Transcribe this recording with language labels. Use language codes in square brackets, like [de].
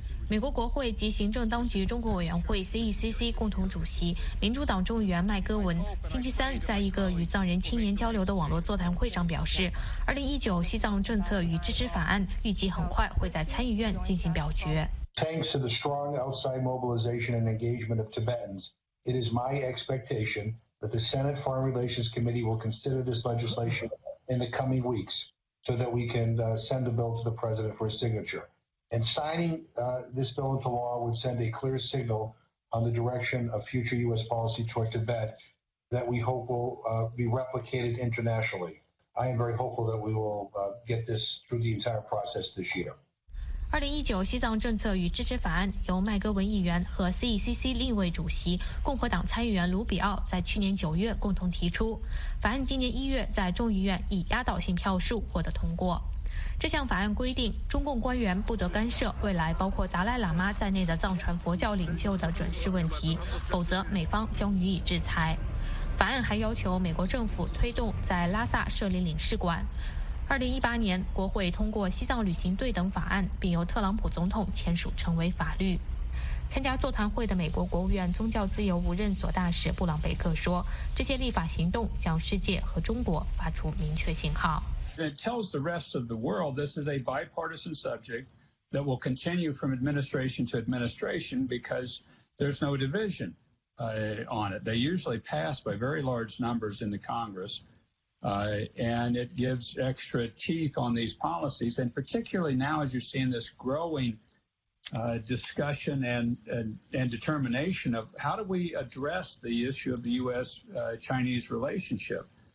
[zh] 美国国会及行政当局中国委员会 CECC 共同主席民主党众议员麦戈文星期三在一个与藏人青年交流的网络座谈会上表示，2019西藏政策与支持法案预计很快会在参议院进行表决。 [en] Thanks to the strong outside mobilization and engagement of Tibetans, it is my expectation that the Senate Foreign Relations Committee will consider this legislation in the coming weeks so that we can send the bill to the president for a signature. And signing this bill into law would send a clear signal on the direction of future U.S. policy toward Tibet that we hope will be replicated internationally. I am very hopeful that we will get this through the entire process this year. [zh] 2019西藏政策与支持法案由麦戈文议员和 CECC 另一位主席共和党参议员卢比奥在去年9月共同提出，法案今年1月在众议院以压倒性票数获得通过。这项法案规定中共官员不得干涉未来包括达赖喇嘛在内的藏传佛教领袖的准事问题，否则美方将予以制裁。法案还要求美国政府推动在拉萨设立领事馆。 2018年，国会通过《西藏旅行对等法案》，并由特朗普总统签署成为法律。参加座谈会的美国国务院宗教自由无任所大使布朗贝克说：“这些立法行动向世界和中国发出明确信号。 [en] It tells the rest of the world this is a bipartisan subject that will continue from administration to administration because there's no division on it. They usually pass by very large numbers in the Congress.” And it gives extra teeth on these policies, and particularly now as you're seeing this growing discussion and determination of how do we address the issue of the U.S.-Chinese relationship.